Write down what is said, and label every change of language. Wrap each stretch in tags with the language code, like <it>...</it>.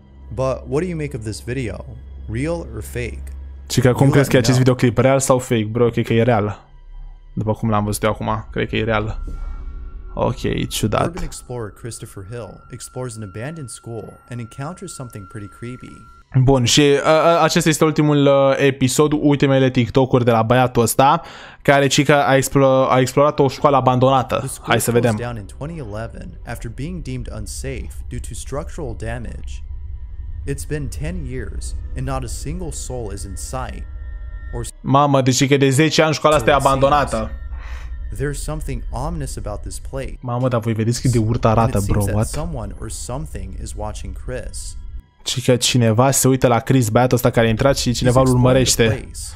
<en>But what do you make of this video? Real or fake?</en> <ro>Și că cum crezi că acest videoclip real sau fake, bro? Cred că e real. După cum l-am văzut eu acum, cred că e real. Ok, ciudat.</ro> <en>Urban explorer Christopher Hill explores an abandoned school and encounters something pretty creepy.</en> <ro>Bun, și acesta este ultimul episod, ultimele TikTok-uri de la băiatul ăsta, care cică a explorat o școală abandonată. Hai să vedem.</ro> <en>Down in 2011 after being deemed unsafe due to structural damage. It's been 10 years and not a single soul is in sight. Or...</en> <ro>Mamă, deci că de 10 ani școala asta e abandonată.</ro> <en>There's something ominous about this place.</en> <ro>Mamă, dar voi vedeți cât de urât arată, bro.</ro> <en>What? Someone or something is watching Chris.</en> <ro>Și că cineva se uită la Chris, băiatul ăsta care a intrat și cineva îl urmărește.</ro>